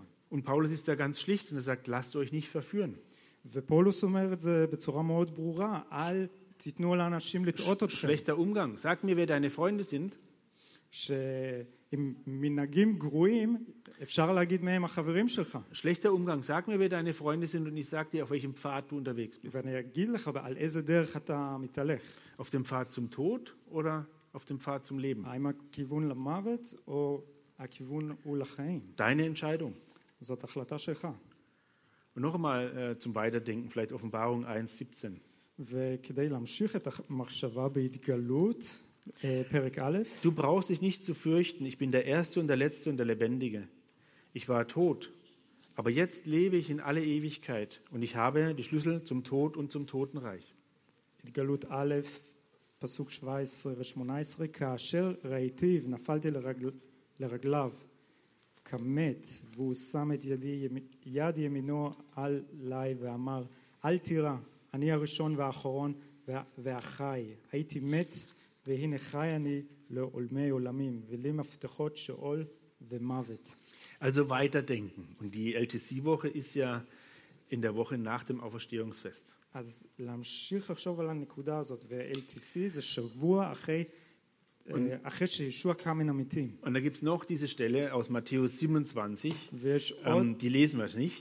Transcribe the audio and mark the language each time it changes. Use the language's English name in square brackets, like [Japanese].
[German] Und Paulus ist da ganz schlicht und er sagt, lasst euch nicht verführen. [Hebrew] ופולוס אומר את זה בצורה מאוד ברורה, אל תיתנו לאנשים לטעות אתכם. [German] Schlechter Umgang. Sag mir, wer deine Freunde sind. [Hebrew] שעם מנהגים גרועים, אפשר להגיד מהם החברים שלך. [German] Schlechter Umgang. Sag mir, wer deine Freunde sind und ich sag dir, auf welchem Pfad du unterwegs bist. [Hebrew] ואני אגיד לך, על איזה דרך אתה מתהלך. [German] Auf dem Pfad zum Tod oder auf dem Pfad zum Leben. [Hebrew] האם הכיוון למוות או הכיוון הוא לחיים. [German] Deine Entscheidung. [Hebrew] זאת החלטה שלך. [German] Und noch einmal zum Weiterdenken, vielleicht Offenbarung 1,17. [Hebrew] וכדי להמשיך את המחשבה בהתגלות, פרק א'. [German] Du brauchst dich nicht zu fürchten, ich bin der Erste und der Letzte und der Lebendige. Ich war tot, aber jetzt lebe ich in alle Ewigkeit und ich habe die Schlüssel zum Tod und zum Totenreich. [Hebrew] התגלות א', פסוק 17-18, כאשר ראיתיו נפלתי לרגליו. כמת, והוא שם את יד ימינו עליי ואמר, אל תירא, אני הראשון והאחרון והחי. הייתי מת, והנה חי אני לעולמי עולמים, ולי מפתחות שאול ומוות. [German] Also weiterdenken. Und die LTC-Woche ist ja in der Woche nach dem Auferstehungsfest. [Hebrew] אז להמשיך לחשוב על הנקודה הזאת, ו-LTC זה שבוע אחרי... [German] Und da gibt es noch diese Stelle aus Matthäus 27, die lesen wir nicht.